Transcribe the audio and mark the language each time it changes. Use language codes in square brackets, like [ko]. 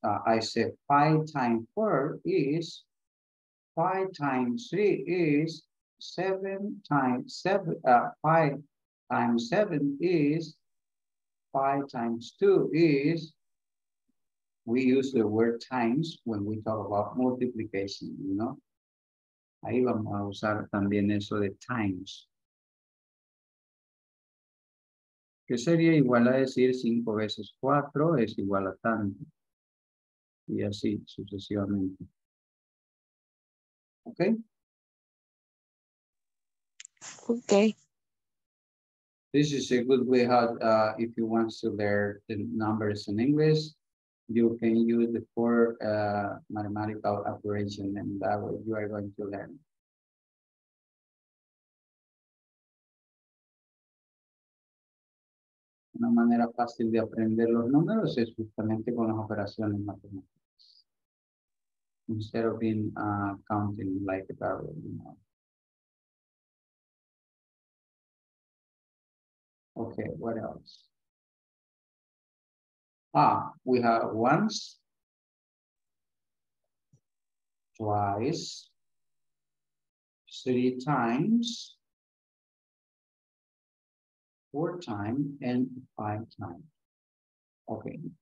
[en] I said five times four is five times three is seven times seven, five times seven is five times two is, we use the word times when we talk about multiplication, you know? [es] Ahí vamos a usar también eso de times. Que sería igual a decir cinco veces cuatro es igual a tanto. Y así sucesivamente. [en] Okay? Okay. This is a good way how, if you want to learn the numbers in English, you can use the four mathematical operations, and that way you are going to learn. [es] Una manera fácil de aprender los números es justamente con las operaciones matemáticas. [en] Instead of being counting like a barrel, you know. Okay, what else? Ah, we have once, twice, three times, four times, and five times. Okay.